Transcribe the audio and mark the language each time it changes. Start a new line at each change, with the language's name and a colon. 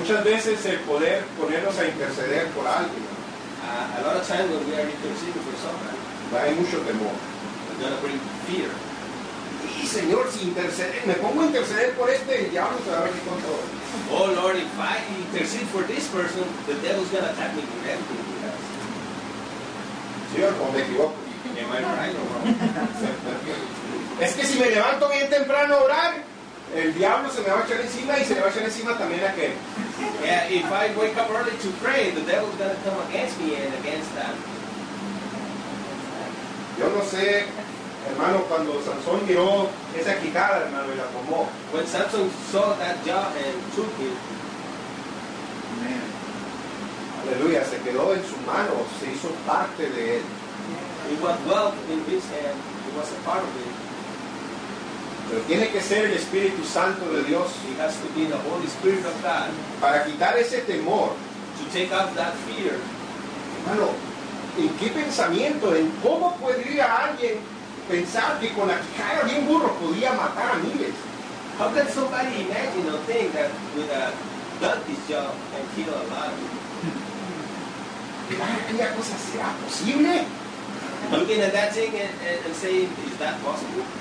Spanish: Muchas veces el poder ponernos a interceder por alguien.
English: A lot of times when we are interceding for someone.
Spanish: Va a haber mucho temor.
English: We're going to bring fear.
Spanish: Y Señor, si intercede, me pongo a interceder por este, el diablo se va a venir con todo.
English: Oh Lord, if I intercede for this person, the devil's gonna attack me with everything he has.
Spanish: Señor, ¿cómo me equivoco?
English: Am I right or wrong?
Spanish: Es que si me levanto bien temprano a orar, el diablo se me va a echar encima y se le va a echar encima también a aquel.
English: Yeah, if I wake up early to pray, the devil's gonna come against me and against that.
Spanish: Yo no sé. Hermano, cuando Sansón miró esa quijada, hermano, y la tomó.
English: When Samson saw that jaw and took it. Amen.
Spanish: Aleluya, se quedó en su mano, se hizo parte de él.
English: It was dwelt in his hand, it was a part of it.
Spanish: Pero tiene que ser el Espíritu Santo de Dios.
English: He has to be the Holy Spirit of God.
Spanish: Para quitar ese temor.
English: To take off that fear.
Spanish: Hermano, ¿en qué pensamiento, en cómo podría alguien pensar que con la quijada de un burro podía matar a miles?
English: How can somebody imagine or think that with a donkey's jaw can kill a lot of
Spanish: people? ¿Qué cosa será posible?
English: Looking at that thing and saying, is that possible?